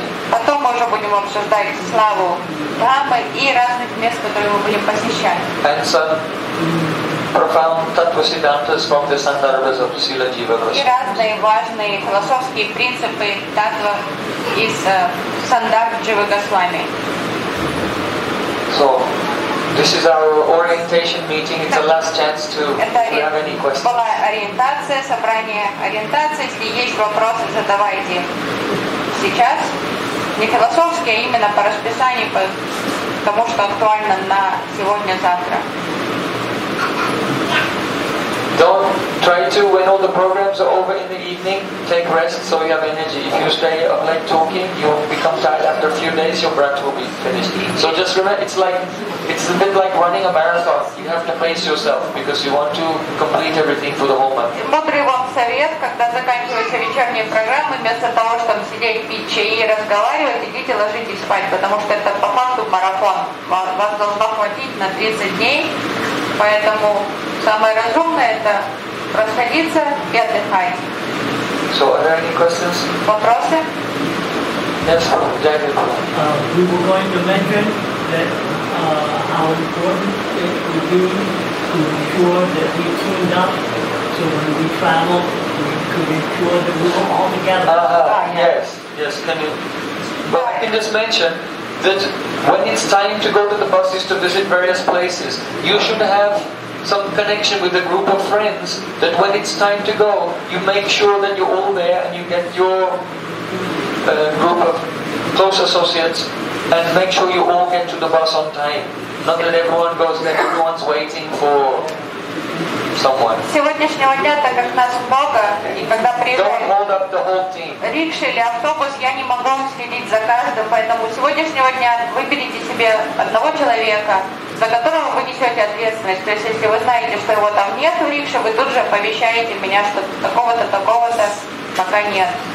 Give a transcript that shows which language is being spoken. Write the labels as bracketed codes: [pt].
[ru] Потом мы уже будем обсуждать славу Дхаммы и разных мест, которые мы будем посещать. [en] And some profound tattva-siddhantas from the Sandarbhas of Srila Jiva Goswami. [ru] И разные важные философские принципы таттва из Сандарбха Джива Госвами. [en] So, this is our orientation meeting. It's the last chance to have any questions. [ru] Была ориентация, собрание ориентации. Если есть вопросы, задавайте сейчас. Не философские, а именно по расписанию, по тому, что актуально на сегодня-завтра. [en] Don't try to, when all the programs are over in the evening, take rest so you have energy. If you stay up late talking, you'll become tired after a few days, your breath will be finished. So just remember, it's a bit like running a marathon. You have to pace yourself because you want to complete everything for the whole month. [ru] Мудрый вам совет, когда заканчивается вечерняя программа, вместо того, чтобы сидеть, пить чай и разговаривать, идите ложитесь спать, потому что это по факту марафон. Вас должно хватить на 30 дней, поэтому... Самое разумное это расходиться и отдыхать. [en] So, are there any questions? [ru] Вопросы? [en] Yes, David. We were going to mention that how important it would be to ensure that we teamed up so when we traveled we could ensure that we were all together. Yes, can you? But I can just mention that when it's time to go to the buses to visit various places, you should have some connection with a group of friends that when it's time to go you make sure that you're all there and you get your group of close associates and make sure you all get to the bus on time. Not that everyone goes there, everyone's waiting for someone. [ru] Сегодняшнего дня, так как нас много, и когда приезжает рикша или автобус, я не могу следить за каждым, поэтому сегодняшнего дня выберите себе одного человека, за которого вы несете ответственность. То есть, если вы знаете, что его там нет в рикше, вы тут же оповещаете меня, что такого-то, такого-то пока нет.